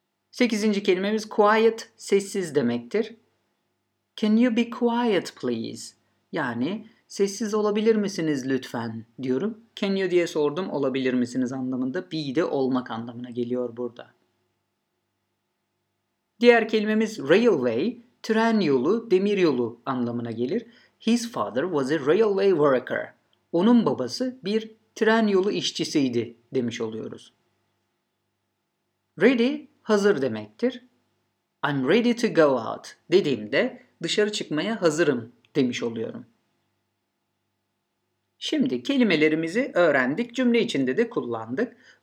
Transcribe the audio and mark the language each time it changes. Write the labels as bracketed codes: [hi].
[tr] Sekizinci kelimemiz [en] quiet, [tr] sessiz demektir. [en] Can you be quiet please? [tr] Yani sessiz olabilir misiniz lütfen diyorum. [en] Can you [tr] diye sordum, olabilir misiniz anlamında. Be de olmak anlamına geliyor burada. Diğer kelimemiz railway, tren yolu, demir yolu anlamına gelir. [en] His father was a railway worker. [tr] Onun babası bir tren yolu işçisiydi demiş oluyoruz. Ready, hazır demektir. [en] I'm ready to go out [tr] dediğimde dışarı çıkmaya hazırım demiş oluyorum. Şimdi kelimelerimizi öğrendik, cümle içinde de kullandık.